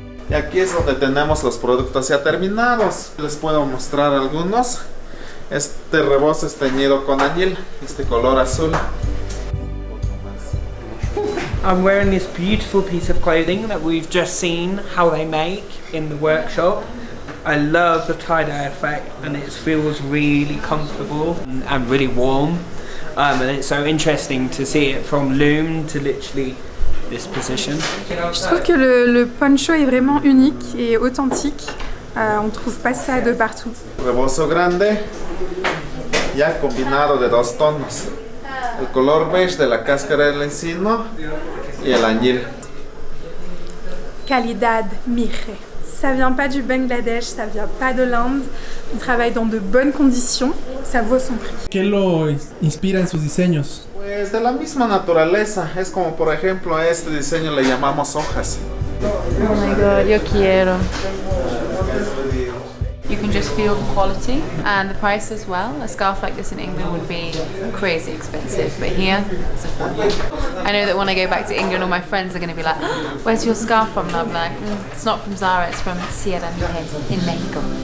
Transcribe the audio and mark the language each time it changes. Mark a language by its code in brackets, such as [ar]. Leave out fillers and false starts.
[es] Y aquí es donde tenemos los productos ya terminados. Les puedo mostrar algunos. Este rebozo es teñido con añil, este color azul. [en] I'm wearing this beautiful piece of clothing that we've just seen how they make in the workshop. I love the tie-dye effect and it feels really comfortable and really warm. And it's so interesting to see it from loom to literally this position. [fr] Je trouve que le poncho est vraiment unique et authentique. On trouve pas ça de partout. [es] Rebozo grande, ya combinado de dos tonos. El color beige de la cáscara del encino y el añil. Calidad mixe. [fr] Ça vient pas du Bangladesh, ça vient pas de l'Inde. On travaille dans de bonnes conditions, ça vaut son prix. [es] ¿Qué lo inspira en sus diseños? Pues de la misma naturaleza. Es como, por ejemplo, a este diseño le llamamos hojas. [en] Oh my God, [es] yo quiero. [en] You can just feel the quality and the price as well. A scarf like this in England would be crazy expensive, but here, it's affordable. I know that when I go back to England, all my friends are going to be like, oh, where's your scarf from? And I'm like, it's not from Zara, it's from Sierra Mije in Mexico.